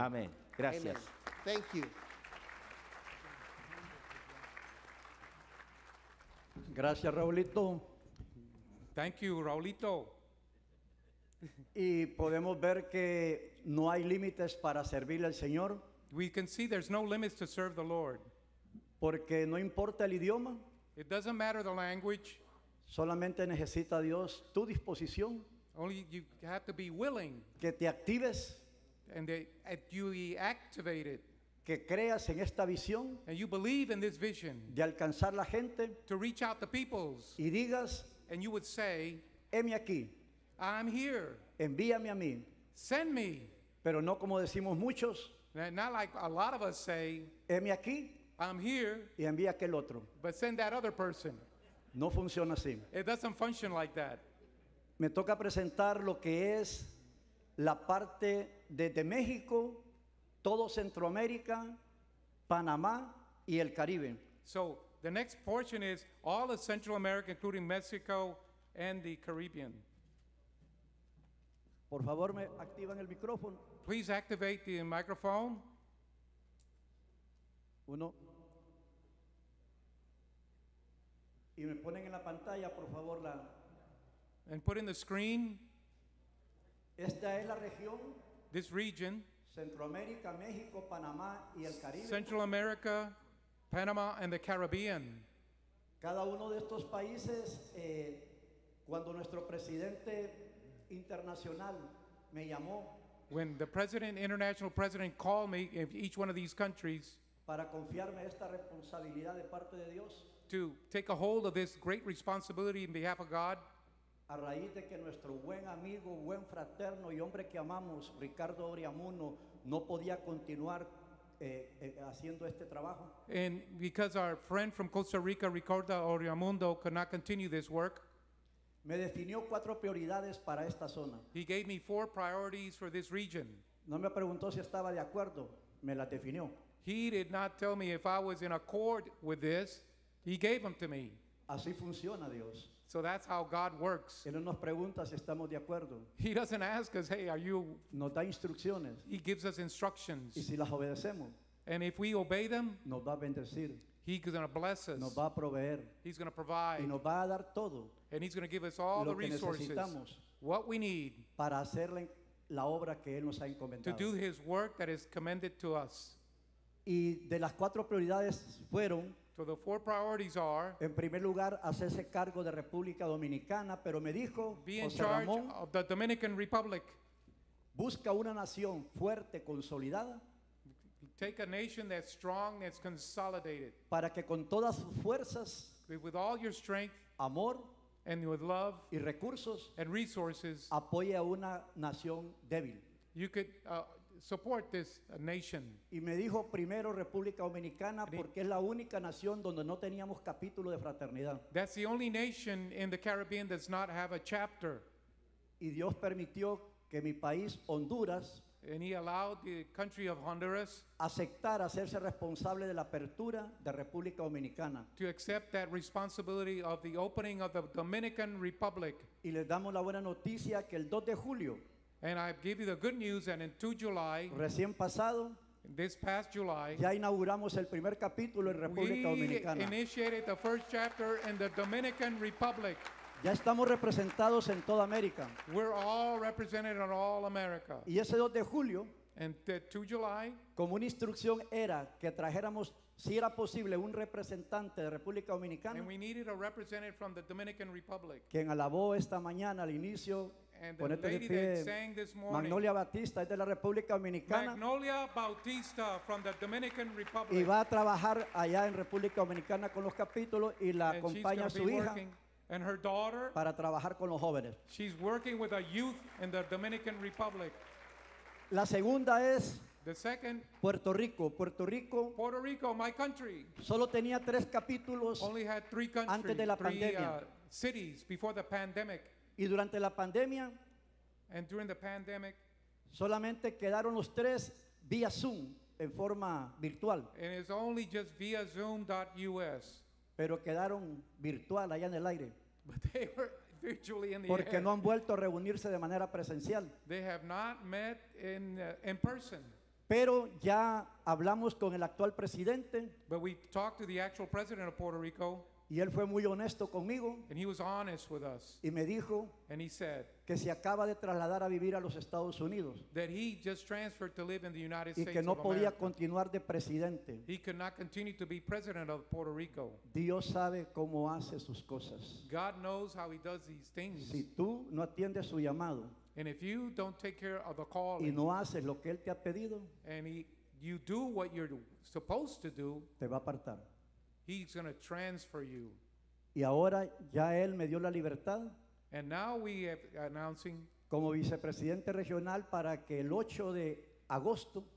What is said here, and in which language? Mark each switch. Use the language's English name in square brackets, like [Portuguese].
[Spanish] Amén. Gracias. [English] Amen. Thank you. [Spanish] Gracias, Raulito. [English] Thank you, Raulito. [Spanish] Y podemos ver que no hay límites para servir al Señor. [English] We can see there's no limits to serve the Lord. [Spanish] Porque no importa el idioma. [English] It doesn't matter the language. [Spanish] Solamente necesita Dios tu disposición. [English] Only you have to be willing. [Spanish] Que te actives. [English] And that you be activated. [Spanish] Que creas en esta visión. [English] And you believe in this vision. [Spanish] De alcanzar la gente. [English] To reach out the peoples. [Spanish] Y digas. [English] And you would say. [Spanish] Heme aquí. [English] I'm here. [Spanish] Envíame a mí. [English] Send me. [Spanish] Pero no como decimos muchos. [English] Not like a lot of us say. [Spanish] Heme aquí. [English] I'm here. [Spanish] Y envía aquel otro. [English] But send that other person. [Spanish] No funciona así. [English] It doesn't function like that. [Spanish] Me toca presentar lo que es la parte desde México, todo Centroamérica, Panamá y el Caribe. [English] So the next portion is all of Central America, including Mexico and the Caribbean. [Spanish] Por favor, me activan el micrófono. [English] Please activate the microphone. [Spanish] Uno. Y me ponen en la pantalla, por favor, la. [English] And put in the screen. [Spanish] Esta es la región. [English] This region. [Spanish] Centroamérica, México, Panamá y el Caribe. [English] Central America, Panama and the Caribbean. [Spanish] Cada uno de estos países, cuando nuestro presidente internacional me llamó. [English] When the president, international president, called me in each one of these countries. [Spanish] Para confiarme esta responsabilidad de parte de Dios. [English] To take a hold of this great responsibility in behalf of God. [Spanish] A raíz de que nuestro buen amigo, buen fraterno y hombre que amamos, Ricardo Oriamuno, no podía continuar haciendo este trabajo. [English] And because our friend from Costa Rica, Ricardo Oriamuno, could not continue this work. [Spanish] Me definió cuatro prioridades para esta zona. [English] He gave me four priorities for this region. [Spanish] No me preguntó si estaba de acuerdo, me las definió. [English] He did not tell me if I was in accord with this. He gave them to me. [Spanish] Así funciona Dios. [English] So that's how God works. [Spanish] Él nos pregunta si estamos de acuerdo. [English] He doesn't ask us, hey, are you... [Spanish] Nos da instrucciones. [English] He gives us instructions. [Spanish] Y si las obedecemos. [English] And if we obey them, [Spanish] nos va a bendecir. [English] He's going to bless us. [Spanish] Nos va a proveer. [English] He's going to provide. [Spanish] Y nos va a dar todo. [English] And he's going to give us all [Spanish] lo [English] the resources. [Spanish] Que necesitamos. [English] What we need. [Spanish] Para hacer la obra que Él nos ha encomendado. [English] To do his work that is commended to us. [Spanish] Y de las cuatro prioridades fueron... [English] So the four priorities are, [Spanish] en primer lugar, hacerse cargo de República Dominicana, pero me dijo, [English] be in charge of the Dominican Republic. [Spanish] Busca una nación fuerte, consolidada. [English] Take a nation that's strong, that's consolidated. [Spanish] Para que con todas sus fuerzas, [English] with all your strength, [Spanish] amor, [English] and with love, [Spanish] y recursos, [English] and resources, [Spanish] apoye a una nación débil. [English] You could support this nation. [Spanish] Y me dijo primero República Dominicana porque es la única nación donde no teníamos capítulo de fraternidad. [English] That's the only nation in the Caribbean that does not have a chapter. [Spanish] Y Dios permitió que mi país Honduras, [English] and he allowed the country of Honduras, [Spanish] aceptar hacerse responsable de la apertura de República Dominicana, [English] to accept that responsibility of the opening of the Dominican Republic. [Spanish] Y les damos la buena noticia que el 2 de julio, [English] and I give you the good news that in 2 July, [Spanish] recién pasado, [English] this past July, [Spanish] ya inauguramos el primer capítulo en República Dominicana. [English] We initiated the first chapter in the Dominican Republic. [Spanish] Ya estamos representados en toda América. [English] We're all represented in all America. [Spanish] Y ese 2 de julio, [English] and 2 July, [Spanish] como una instrucción era que trajéramos, si era posible, un representante de República Dominicana, [English] and we needed a representative from the Dominican Republic, [Spanish] quien alabó esta mañana al inicio, [English] and the lady pie, that sang this morning, [Spanish] Magnolia Bautista, es de la República Dominicana, [English] Magnolia Bautista from the Dominican Republic, [Spanish] y va a trabajar allá en República Dominicana con los capítulos y la acompaña su hija, [English] and her daughter, [Spanish] para trabajar con los jóvenes. [English] She's working with a youth in the Dominican Republic. [Spanish] La segunda es [English] the second, [Spanish] Puerto Rico. Puerto Rico, [English] Puerto Rico, my country, [Spanish] solo tenía tres capítulos [English] only had three countries, [Spanish] antes de la [English] three, [Spanish] pandemia. [English] Cities before the pandemic. [Spanish] Y durante la pandemia, [English] and during the pandemic, [Spanish] solamente quedaron los tres vía Zoom, en forma virtual. [English] And it's only just via Zoom.us. [Spanish] Pero quedaron virtual allá en el aire. [English] But they were virtually in the [Spanish] porque [English] air. [Spanish] No han vuelto a reunirse de manera presencial. [English] They have not met in person. [Spanish] Pero ya hablamos con el actual presidente. [English] But we talked to the actual president of Puerto Rico. [Spanish] Y él fue muy honesto conmigo. [English] And he was honest with us. [Spanish] Y me dijo, [English] and he said, [Spanish] que se acaba de trasladar a vivir a los Estados Unidos. [English] That he just transferred to live in the United States. [Spanish] Y que no podía [English] America. [Spanish] Continuar de presidente. [English] He could not continue to be president of Puerto Rico. [Spanish] Dios sabe cómo hace sus cosas. [English] God knows how he does these things. [Spanish] Si tú no atiendes su llamado, [English] and if you don't take care of the calling, [Spanish] y no haces lo que él te ha pedido, [English] and you do what you're supposed to do, [Spanish] te va a apartar. [English] He's going to transfer you. [Spanish] Y ahora ya él me dio la libertad. [English] And now we are announcing, [Spanish] como vicepresidente regional, para que el 8 de agosto,